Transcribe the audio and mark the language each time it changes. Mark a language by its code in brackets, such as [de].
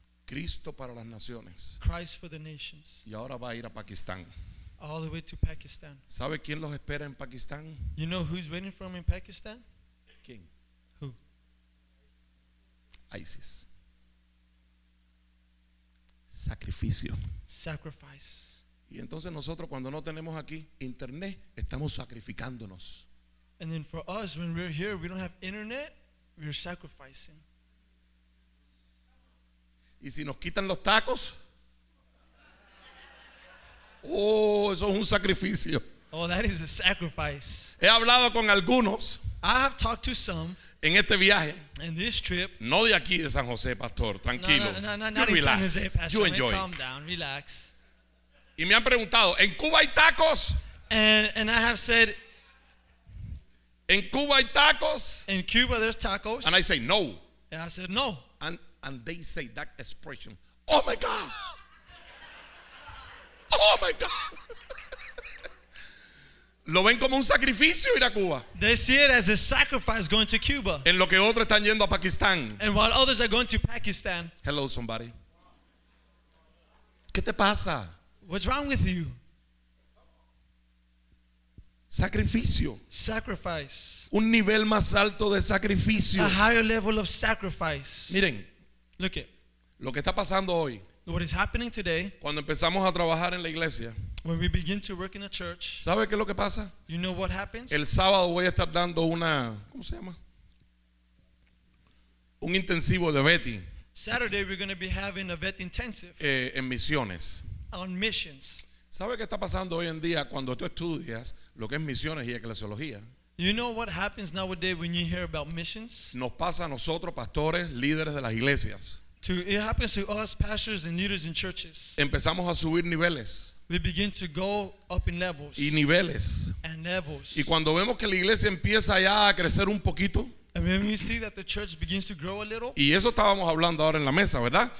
[es] Cristo para las naciones. [en] Christ for the nations. [es] Y ahora va a ir a Pakistán. [en] All the way to Pakistan. [es] ¿Sabe quién los espera en Pakistán? [en] You know who's waiting for him in Pakistan? [es] ¿Quién? [en] Who? ISIS. [es] Sacrificio. [en] Sacrifice. [es] Y entonces nosotros cuando no tenemos aquí internet, estamos sacrificándonos. [en] And then for us, when we're here, we don't have internet, we're sacrificing. [es] Y si nos quitan los tacos, oh, eso es un sacrificio. [en] Oh, that is a sacrifice. [es] He hablado con algunos. [en] I have talked to some. [es] En este viaje, [en] in this trip, [es] no de aquí de San José, pastor, tranquilo. [en] No, relax. San José, pastor. You enjoy. Calm down, relax. [es] Y me han preguntado, ¿en Cuba hay tacos? [en] And I have said, [es] ¿en Cuba hay tacos? [en] In Cuba there's tacos. And I say no. And I said no. And they say that expression, "Oh my God. Oh my God." [es] Lo ven como un sacrificio ir a Cuba. [en] They see it as a sacrifice going to Cuba. [es] En lo que otros están yendo a Pakistán. [en] And while others are going to Pakistan. Hello, somebody. [es] ¿Qué te pasa? [en] What's wrong with you? [es] Sacrificio. [en] Sacrifice. [es] Un nivel más alto de sacrificio. [en] A higher level of sacrifice. [es] Miren. [en] Look it. [es] Lo que está pasando hoy. [en] What is happening today? [es] Cuando empezamos a trabajar en la iglesia. [en] When we begin to work in the church, [es] ¿sabe qué es lo que pasa? [en] You know what happens? [es] El sábado voy a estar dando una, ¿cómo se llama? Un intensivo de Betty. [en] Saturday we're going to be having a vet intensive. [es] En misiones. [en] On missions. [es] ¿Sabe qué está pasando hoy en día cuando tú estudias lo que es misiones y eclesiología? [en] You know what happens nowadays when you hear about missions? [es] Nos pasa a nosotros, pastores, líderes de las iglesias. [en] It happens to us, pastors and leaders in churches. [es] Empezamos a subir niveles. [en] We begin to go up in levels. [es] Y niveles. [en] And levels. [es] Y cuando vemos que la iglesia empieza ya a crecer un poquito. [en] And when we see that the church begins to grow a little. [es] Y eso estábamos hablando ahora en la mesa, ¿verdad?